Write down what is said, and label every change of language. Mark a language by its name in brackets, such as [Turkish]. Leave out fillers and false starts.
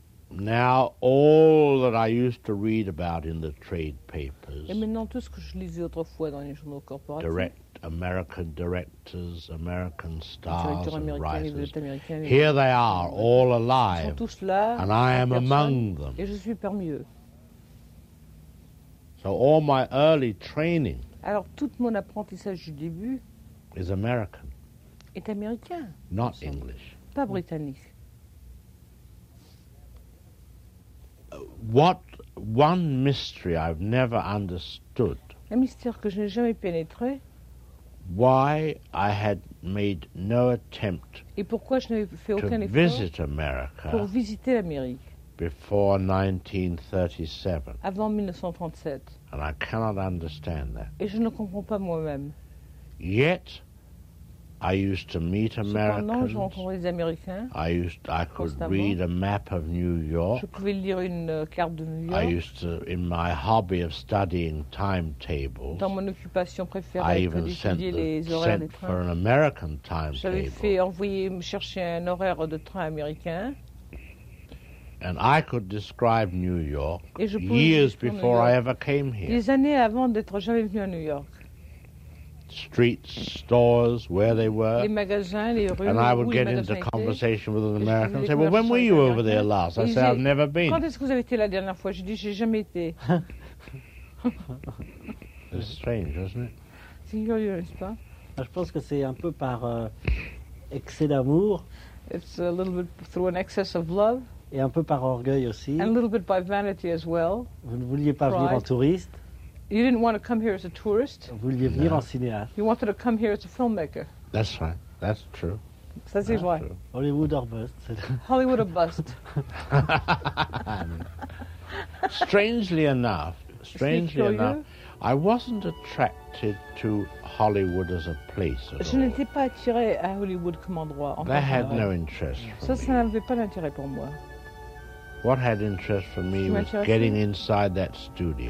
[English] Now all that I used to read about in the trade papers. [French] Et maintenant tout ce que je lisais autrefois dans les journaux corporatifs. [English] Direct American directors, American stars and writers. Here they are, all alive. [French] Ils sont tous là, [English] and I am among them. [French] Et je suis parmi eux. [English] So all my early training. [French] Alors tout mon apprentissage du début. [English] Is American. [French] Est américain. [English] Not English. [French] Pas britannique. [English] What one mystery I've never understood. [French] Un mystère que je n'ai jamais pénétré. [English] Why I had made no attempt. [French] Et pourquoi je n'avais fait aucun effort. [English] To visit America. [French] Pour visiter l'Amérique. [English] Before 1937. [French] Avant 1937. [English] And I cannot understand that. [French] Et je ne comprends pas moi-même. [English] Yet. I used to meet Americans. [French] Cependant, je rencontrais les Américains. [English] I could read a map of New York. [French] Je pouvais lire une carte de New York. [English] I used to, in my hobby of studying timetables. [French] Dans mon occupation préférée, I [English] even sent for an American timetable. [French] J'avais fait envoyer me chercher un horaire de train américain. [English] And I could describe New York years before I ever came here. [French] Des années avant d'être jamais venu à New York. [English] Streets, stores, where they were. [French] Les magasins, les rues, [English] and I would get into conversation with an American and say, well, when were you over there last? I say, I've never been. [French] Quand est-ce que vous avez été la dernière fois? Je dis, j'ai jamais été. [English] It's strange, isn't it? [French] C'est curieux, n'est-ce pas? Je pense que c'est un peu par excès d'amour. [English] It's a little bit through an excess of love. [French] Et un peu par orgueil aussi. [English] And a little bit by vanity as well. [French] Vous ne vouliez pas venir en touriste. [English] You didn't want to come here as a tourist. [French] Vous vouliez venir en cinéaste. [English] You wanted to come here as a filmmaker. That's right. That's true. That's why. True. Hollywood or bust. Hollywood or bust. Strangely enough, I wasn't attracted to Hollywood as a place at all. [French] Je n'étais pas attiré à Hollywood comme endroit. [English] That had no interest for me. [French] Ça n'avait pas d'intérêt pour moi. [English] What had interest for me was getting inside that studio.